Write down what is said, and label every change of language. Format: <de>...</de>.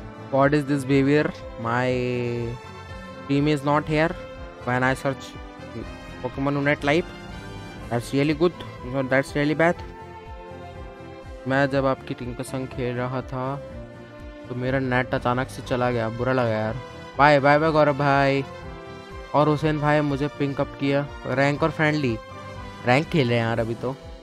<en>What is this behavior? My team is not here. When I search Pokemon Unite Live, that's really good. No, that's really bad.</en> <hi>मैं जब आपकी team के संग खेल रहा था तो मेरा नेट अचानक से चला गया, बुरा लगा यार। बाय बाय बाय गौरव भाई। और हुसैन भाई मुझे पिंक अप किया, रैंक और फ्रेंडली रैंक खेल रहे हैं यार अभी तो।</hi>